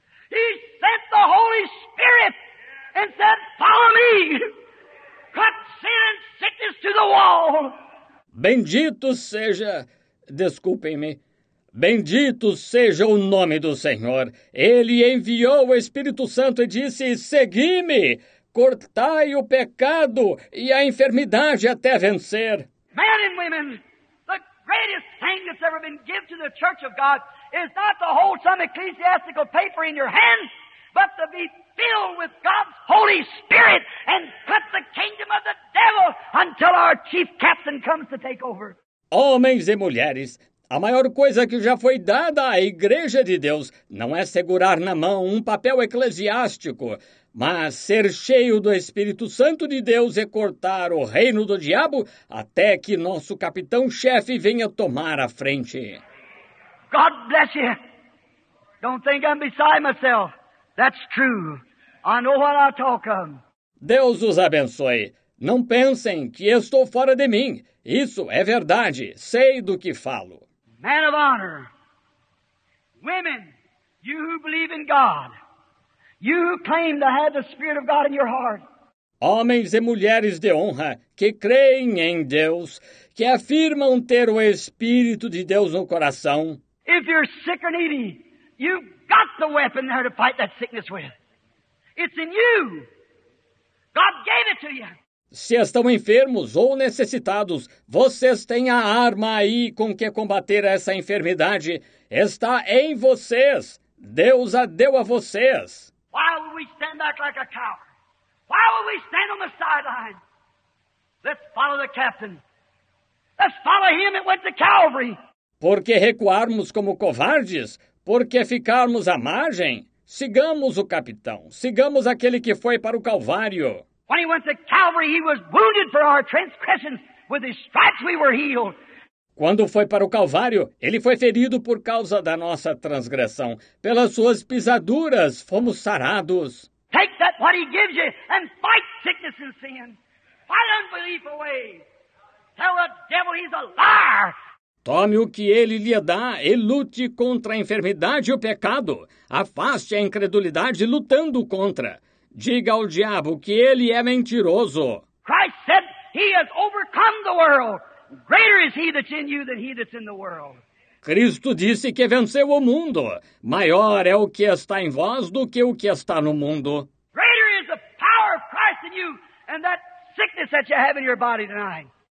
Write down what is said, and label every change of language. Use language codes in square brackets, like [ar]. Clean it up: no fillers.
[en] He sent the Holy Spirit and said, follow me. Cut sin and sickness to the wall. [pt] Bendito seja, desculpem-me, bendito seja o nome do Senhor. Ele enviou o Espírito Santo e disse, segui-me, cortai o pecado e a enfermidade até vencer. [en] Men and women, the greatest thing that's ever been given to the church of God is not to hold some ecclesiastical paper in your hands, but to be filled with God's Holy Spirit and cut the kingdom of the devil until our chief captain comes to take over. [pt] Homens e mulheres, a maior coisa que já foi dada à Igreja de Deus não é segurar na mão um papel eclesiástico, mas ser cheio do Espírito Santo de Deus e cortar o reino do diabo até que nosso capitão-chefe venha tomar a frente. [en] God bless you. Don't think I'm beside myself. That's true. I know what I talk of. [pt] Deus os abençoe. Não pensem que estou fora de mim. Isso é verdade. Sei do que falo. [en] Men of honor, women, you who believe in God, you who claim to have the Spirit of God in your heart. [pt] Homens e mulheres de honra que creem em Deus, que afirmam ter o Espírito de Deus no coração. [en] If you're sick or needy, you've got the weapon there to fight that sickness with. It's in you. God gave it to you. [pt] Se estão enfermos ou necessitados, vocês têm a arma aí com que combater essa enfermidade. Está em vocês. Deus a deu a vocês. [en] Why would we stand back like a coward? Why would we stand on the sideline? Let's follow the captain. Let's follow him that went to Calvary. [pt] Por que recuarmos como covardes? Por que ficarmos à margem? Sigamos o capitão. Sigamos aquele que foi para o Calvário. [en] When he went to Calvary, he was wounded for our transgressions. With his stripes we were healed. [pt] Quando foi para o Calvário, ele foi ferido por causa da nossa transgressão. Pelas suas pisaduras, fomos sarados. [en] Take that what he gives you and fight sickness and sin. Fight unbelief away. Tell the devil he's a liar. [pt] Tome o que ele lhe dá e lute contra a enfermidade e o pecado. Afaste a incredulidade lutando contra. Diga ao diabo que ele é mentiroso. [en] Christ said he has overcome the world. Greater is he that's in you than he that's in the world. [pt] Cristo disse que venceu o mundo. Maior é o que está em vós do que o que está no mundo. [en] Greater is the power of Christ in you and that sickness that you have in your body tonight.